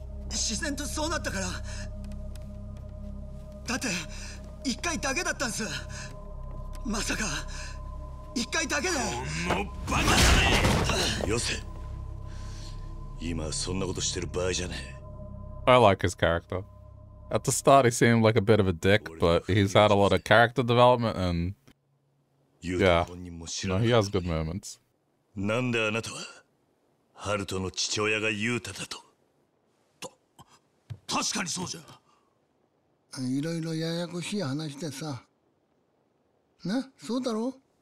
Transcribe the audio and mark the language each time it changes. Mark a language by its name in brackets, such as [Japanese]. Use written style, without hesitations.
[Japanese] 自然とそうなったから。だって一回だけだったんす。まさか一回だけで。このバカだね。よせ。今そんなことしてる場合じゃね [English] え。I like his character. At the start, he seemed like a bit of a dick, but he's had a lot of character development and. Yeah, no, he has good moments. [Japanese] なんであなたはハルトの父親がユータだと。確かにそうじゃ。いろいろややこしい話でさ。な、そうだろう。